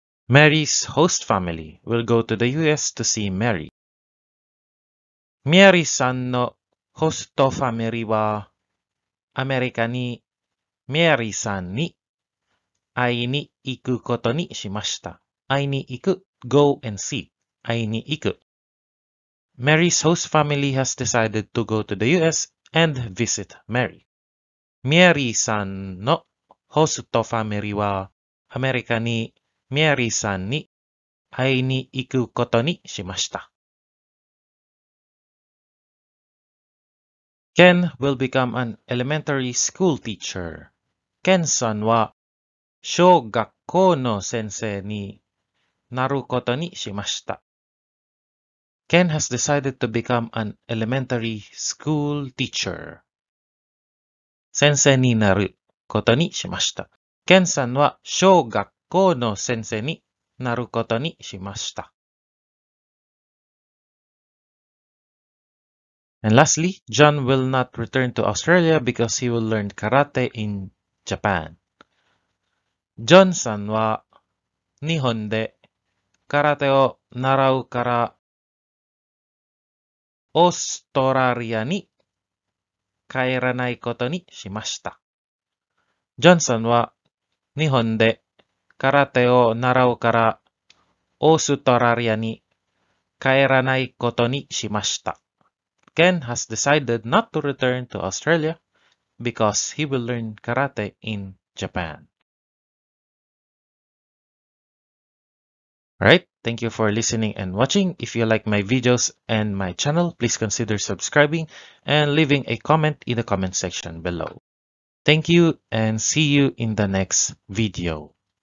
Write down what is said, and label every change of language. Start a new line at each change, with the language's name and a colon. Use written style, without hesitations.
English: Mary's host family will go to the US to see Mary.
Japanese: Mary さんのホストファミリーはアメリカに、Mary さんに会いに行くことにしました。会いに行く、
English: go and see。
Japanese: 会いに行く。
English: Mary's host family has decided to go to the US and visit Mary.
Japanese: ミアリーさんのホストファミリーはアメリカにミアリーさんに会いに行くことにしました。
English: Ken will become an elementary school teacher.
Japanese: Ken さんは小学校の先生になることにしました。
English: Ken has decided to become an elementary school teacher.
Japanese: 先生になることにしました。Ken さんは小学校の先生になることにしました。
English: And lastly, John will not return to Australia because he will learn karate in Japan.
Japanese: ジョンさんは日本で空手を習うからオーストラリアに帰らないことにしました。ジョンさんは日本で空手を習うからオーストラリアに帰らないことにしました。
English: Ken has decided not to return to Australia because he will learn karate in Japan. Alright, thank you for listening and watching. If you like my videos and my channel, please consider subscribing and leaving a comment in the comment section below. Thank you and see you in the next video.